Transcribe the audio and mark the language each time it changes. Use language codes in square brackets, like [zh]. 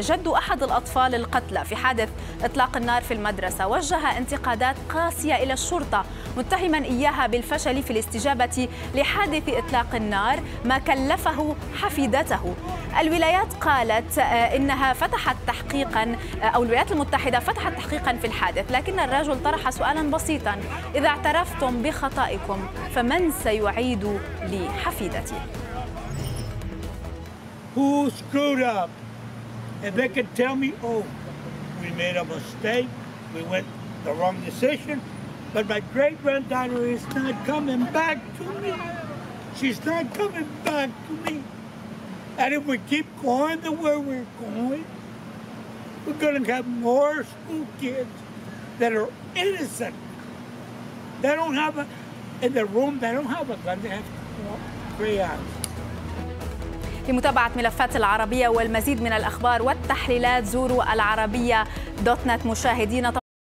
[ar] جد أحد الأطفال القتلى في حادث إطلاق النار في المدرسة وجه انتقادات قاسية إلى الشرطة متهماً إياها بالفشل في الاستجابة لحادث إطلاق النار ما كلفه حفيدته. الولايات قالت إنها فتحت تحقيقاً، أو الولايات المتحدة فتحت تحقيقاً في الحادث، لكن الرجل طرح سؤالاً بسيطاً: إذا اعترفتم بخطائكم فمن سيعيد لي حفيدتي؟ [en] Who screwed up? If they could tell me, oh, we made a mistake, we went the wrong decision, but my great-granddaughter is not coming back to me. She's not coming back to me. And if we keep going the way we're going, we're going to have more school kids that are innocent. They don't have a, in their room, they don't have a gun, they have 3 hours. [ar] لمتابعة ملفات العربية والمزيد من الأخبار والتحليلات زوروا العربية.net مشاهدينا.